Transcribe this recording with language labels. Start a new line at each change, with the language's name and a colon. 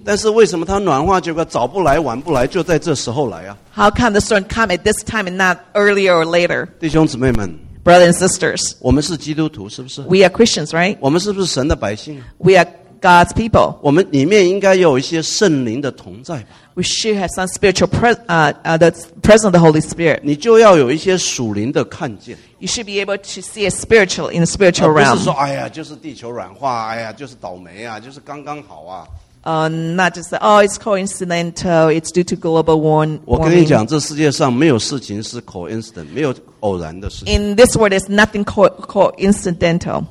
Chinese: 但是为什么它暖化结果早不来晚不来，就在这时候来啊
English: ？How come the storm come at this time and not earlier or later?
Chinese: 弟兄姊妹们。
English: Brothers and sisters,
Chinese: 我们是基督徒，是不是？
English: We are Christians, right?
Chinese: 我们是不是神的百姓？
English: We are God's people.
Chinese: 我们里面应该有一些圣灵的同在吧？
English: We should have some spiritual the presence of the Holy Spirit.
Chinese: 你就要有一些属灵的看见。
English: You should be able to see it spiritual in the spiritual realm.
Chinese: 不是说哎呀，就是地球软化，哎呀，就是倒霉啊，就是刚刚好啊。
English: Not just that, oh, it's coincidental. It's due to global warming.
Chinese: 我跟你讲，这世界上没有事情是 coincident， 没有偶然的事情。
English: In this world, there's nothing coincidental.